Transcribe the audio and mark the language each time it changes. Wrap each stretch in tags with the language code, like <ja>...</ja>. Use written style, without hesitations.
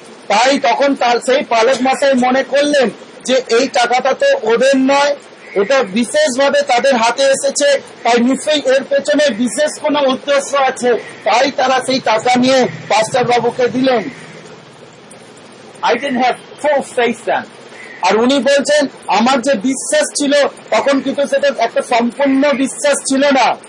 <bn>তাই তখন তার সেই পালক মাসাই মনে করলেন যে এই টাকাটা তো ওদের নয় এটা বিশেষভাবে তাদের হাতে এসেছে তাই নিশ্চয়ই এর পেছনে বিশেষ কোন উদ্দেশ্য আছে তাই তারা সেই টাকা নিয়ে পাস্টার বাবুকে দিলেন</bn> <en>I didn't have full faith then.</en> <bn>আর উনি বলছেন আমার যে বিশ্বাস ছিল তখন কিন্তু সেটা একটা সম্পূর্ণ বিশ্বাস ছিল না</bn>